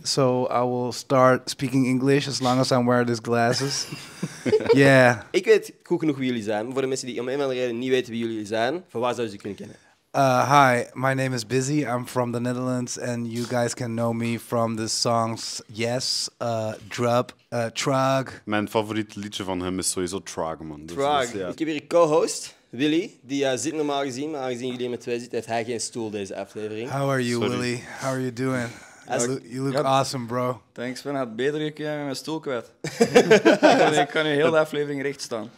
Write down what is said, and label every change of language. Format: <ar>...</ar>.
<en>So I will start speaking English as long as I'm wearing these glasses. Yeah.</en> <nl>Ik weet goed genoeg wie jullie zijn. Voor de mensen die om een of andere reden niet weten wie jullie zijn, van waar zou je ze kunnen kennen?</nl> <en>Hi, my name is Busy. I'm from the Netherlands, and you guys can know me from the songs Yes, Drup, Trag.</en> <nl>Mijn favoriet liedje van hem is sowieso Trag, man. Trag. Dus, ja. Ik heb hier een co-host, Willy, die zit normaal gezien, maar aangezien jullie met twee zitten, heeft hij geen stoel deze aflevering.</nl> <en>How are you, sorry. Willy? How are you doing? You look awesome, bro. Thanks, man.</en> <nl>Had beter gekregen met mijn stoel kwijt. Ik kan nu heel de aflevering recht staan.</nl>